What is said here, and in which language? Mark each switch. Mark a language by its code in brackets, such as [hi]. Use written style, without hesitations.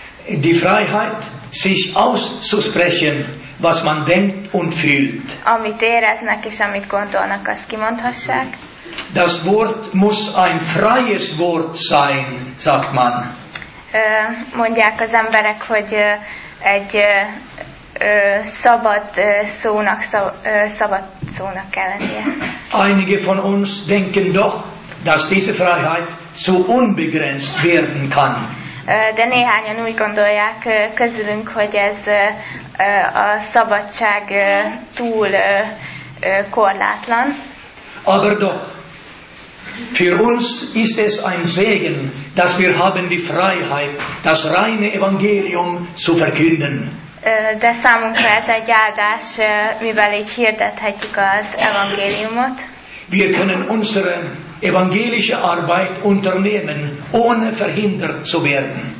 [de] Die Freiheit, sich auszusprechen, was man denkt und fühlt. [hu] Amit éreznek és amit gondolnak, azt kimondhassák. [de] Das Wort muss ein freies Wort sein, sagt man. [hu] Mondják az emberek, hogy egy szabad szónak, szabad szónak kell lennie. [de] Einige von uns denken doch, dass diese Freiheit so unbegrenzt werden kann. [hu] de néhányan úgy gondolják közülünk, hogy ez a szabadság túl korlátlan. [de] Aber doch, für uns ist es ein Segen, dass wir haben die Freiheit, das reine Evangelium zu verkünden. [hu] De számunkra ez egy áldás, mivel így hirdethetjük az evangéliumot. [de] Wir können unsere evangelische Arbeit unternehmen, ohne verhindert zu werden.